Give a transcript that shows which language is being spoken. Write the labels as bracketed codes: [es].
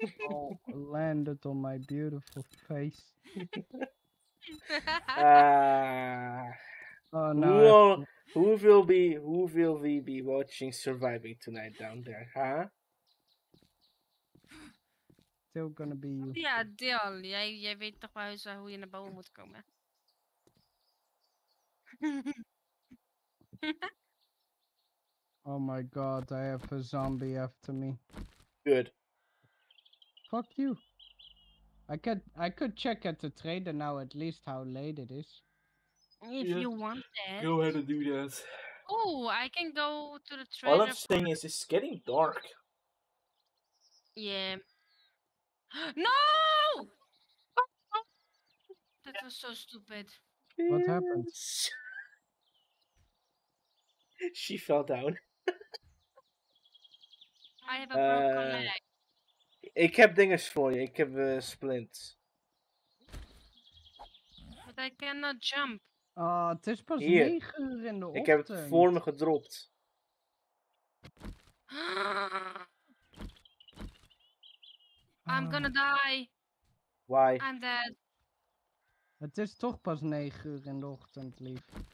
[en] Oh, landed on my beautiful face. Ah. Oh no. Whoa. Who will we be watching surviving tonight down there, huh? Still gonna be you. [nl] Ja, Deel. Jij weet toch wel eens hoe je naar boven moet komen. [en] Oh my god, I have a zombie after me. Good. Fuck you. I could check at the trader now at least how late it is. If you want that. Go ahead and do that. Oh, I can go to the trailer. All I'm saying is it's getting dark. Yeah. No! That was so stupid. What happened? She fell down. I have a broken leg. It kept dingers for you. It kept splints. But I cannot jump. [nl] Het is pas 9 uur in de ochtend. Ik heb het voor me gedropt. [en] I'm gonna die. Why? I'm dead. [nl] Het is toch pas 9 uur in de ochtend, lief.